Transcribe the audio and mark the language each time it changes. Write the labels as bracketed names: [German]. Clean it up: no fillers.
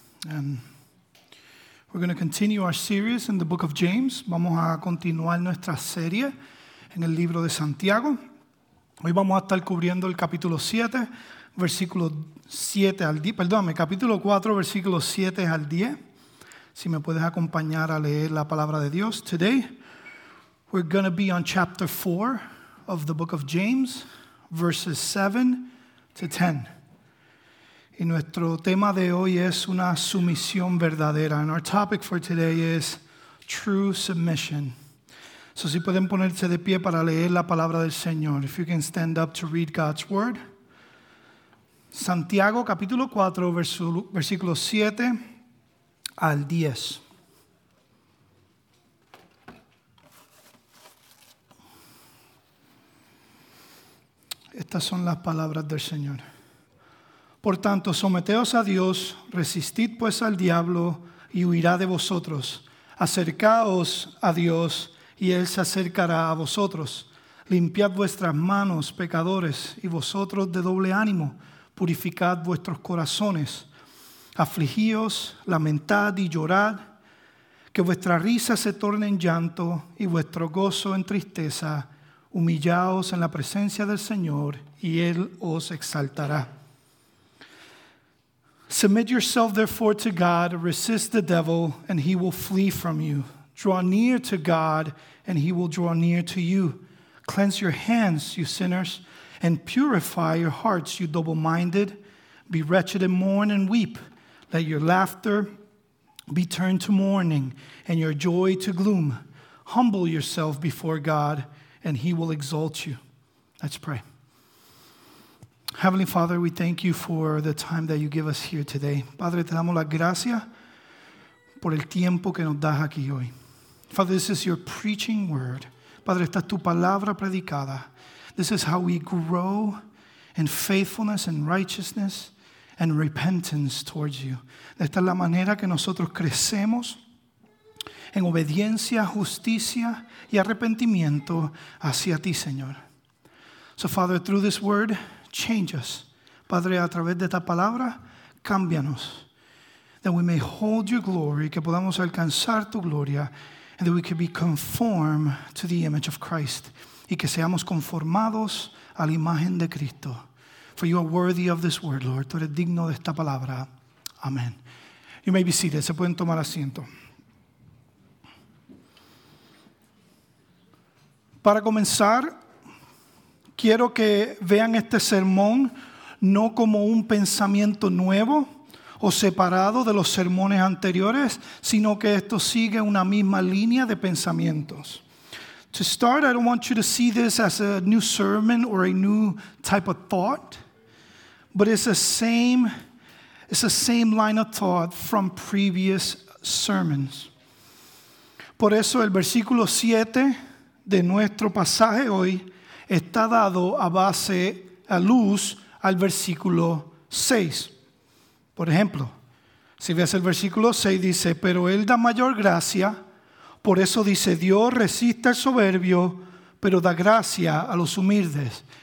[English] And we're going to continue our series in the book of James. [Spanish] Vamos a continuar nuestra serie en el libro de Santiago. Hoy vamos a estar cubriendo el capítulo 7, versículo 7 al 10. Perdóname, capítulo 4, versículo 7 al 10. Si me puedes acompañar a leer la palabra de Dios. [English] Today, we're going to be on chapter 4 of the book of James, verses 7 to 10. [Spanish] Y nuestro tema de hoy es una sumisión verdadera. [English] And our topic for today is true submission. [Spanish] So si pueden ponerse de pie para leer la palabra del Señor. [English] If you can stand up to read God's word. [Spanish] Santiago capítulo 4, versículo 7 al 10. Estas son las palabras del Señor. Por tanto, someteos a Dios, resistid pues al diablo y huirá de vosotros. Acercaos a Dios y Él se acercará a vosotros. Limpiad vuestras manos, pecadores, y vosotros de doble ánimo, purificad vuestros corazones. Afligíos, lamentad y llorad, que vuestra risa se torne en llanto y vuestro gozo en tristeza. Humillaos en la presencia del Señor y Él os exaltará. [English] Submit yourself therefore to God, resist the devil, and he will flee from you. Draw near to God, and he will draw near to you. Cleanse your hands, you sinners, and purify your hearts, you double-minded. Be wretched and mourn and weep. Let your laughter be turned to mourning, and your joy to gloom. Humble yourself before God, and he will exalt you. Let's pray. Heavenly Father, we thank you for the time that you give us here today. [Spanish] Padre, te damos las gracias por el tiempo que nos das aquí hoy. [English] Father, this is your preaching word. [Spanish] Padre, esta es tu palabra predicada. [English] This is how we grow in faithfulness and righteousness and repentance towards you. [Spanish] Esta es la manera que nosotros crecemos en obediencia, justicia y arrepentimiento hacia ti, Señor. [English] So, Father, through this word, change us. [Spanish] Padre, a través de esta palabra, cámbianos. [English] That we may hold your glory, [Spanish] que podamos alcanzar tu gloria, [English] and that we can be conformed to the image of Christ, [Spanish] y que seamos conformados a la imagen de Cristo. [English] For you are worthy of this word, Lord. [Spanish] Tú eres digno de esta palabra. Amen. [English] You may be seated. [Spanish] Se pueden tomar asiento. Para comenzar, quiero que vean este sermón no como un pensamiento nuevo o separado de los sermones anteriores, sino que esto sigue una misma línea de pensamientos. [English] To start, I don't want you to see this as a new sermon or a new type of thought, but it's the same line of thought from previous sermons. [Spanish] Por eso el versículo 7 de nuestro pasaje hoy está dado a base, a luz, al versículo 6. Por ejemplo, si ves el versículo 6, dice, pero Él da mayor gracia, por eso dice, Dios resiste al soberbio, pero da gracia a los humildes.